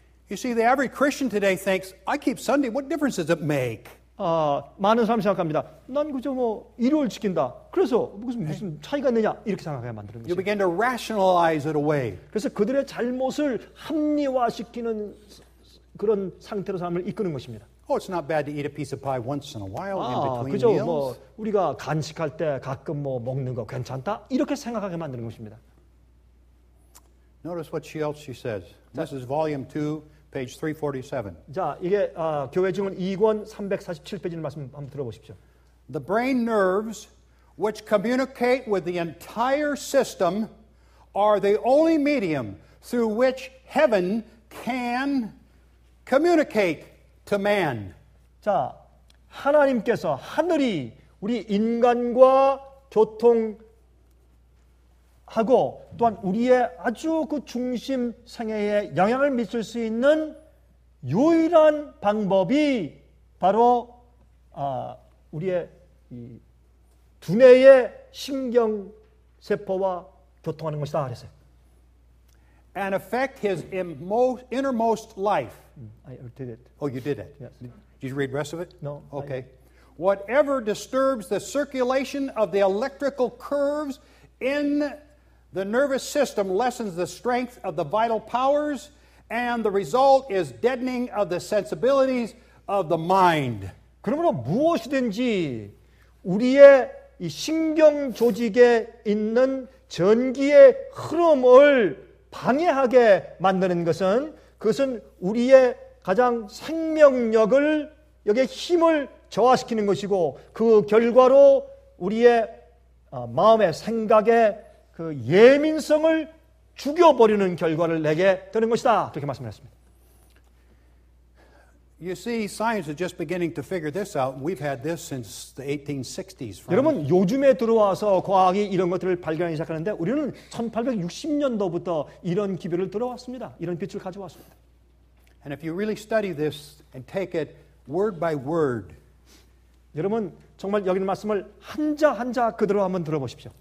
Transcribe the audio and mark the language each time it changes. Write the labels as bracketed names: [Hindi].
[English] You see, the average Christian today thinks, I keep Sunday. What difference does it make? [Korean] 많은 사람 생각합니다. 난 그저 뭐 일요일 지킨다. 그래서 무슨 차이가 내냐 이렇게 생각하게 만드는 거죠. [English] You begin to rationalize it away. [Korean] 그래서 그들의 잘못을 합리화시키는 그런 상태로 사람을 이끄는 것입니다. [English] Oh, it's not bad to eat a piece of pie once in a while in between [Korean] 그죠, [English] meals. [Korean] 뭐 우리가 간식할 때 가끔 뭐 먹는 거 괜찮다 이렇게 생각하게 만드는 것입니다. [English] Notice what she says. 자, This is volume 2, page 347. [Korean] 자, 이게 교회 증언 2권 347페이지를 말씀 한번 들어보십시오. [English] The brain nerves which communicate with the entire system are the only medium through which heaven can communicate to man. [Korean] 자, 하나님께서 하늘이 우리 인간과 교통 하고 또한 우리의 아주 그 중심 생애에 영향을 미칠 수 있는 유일한 방법이 바로 우리의 이 두뇌의 신경 세포와 교통하는 것이다 그랬어요. [English] And affect his innermost life. I did it. Oh, you did it. Yes. Did you read the rest of it? No. Okay. Whatever disturbs the circulation of the electrical curves in the nervous system lessens the strength of the vital powers, and the result is deadening of the sensibilities of the mind. [Korean] 그러므로 무엇이든지 우리의 이 신경 조직에 있는 전기의 흐름을 방해하게 만드는 것은 그것은 우리의 가장 생명력을 여기에 힘을 저하시키는 것이고 그 결과로 우리의 마음의 생각에 그 예민성을 죽여버리는 결과를 내게 되는 것이다. 그렇게 말씀했습니다. [English] You see, science is just beginning to figure this out. We've had this since the 1860s. [Korean] 여러분, 요즘에 들어와서 과학이 이런 것들을 발견하기 시작하는데 우리는 1860년도부터 이런 기별을 들어왔습니다. 이런 빛을 가져왔습니다. [English] And if you really study this and take it word by word, [Korean] 여러분 정말 여기 말씀을 한자 한자 그대로 한번 들어보십시오.